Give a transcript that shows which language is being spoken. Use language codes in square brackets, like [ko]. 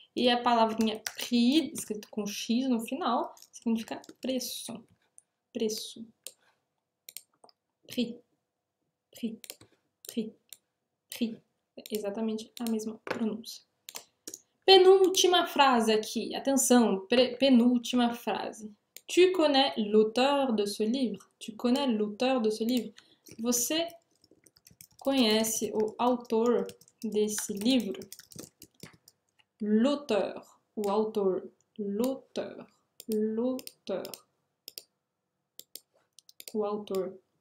[pt] E a palavrinha prix, escrito com X no final, significa preço. Preço. [fr] Prix. Prix. Prix. Prix. [pt] Exatamente a mesma pronúncia. Penúltima frase aqui. Atenção, penúltima frase. [fr] Tu connais l'auteur de ce livre? Tu connais l'auteur de ce livre? [pt] Você conhece o autor desse livro? [fr] L'auteur. [pt] O autor. [fr] L'auteur. L'auteur. [pt] O autor.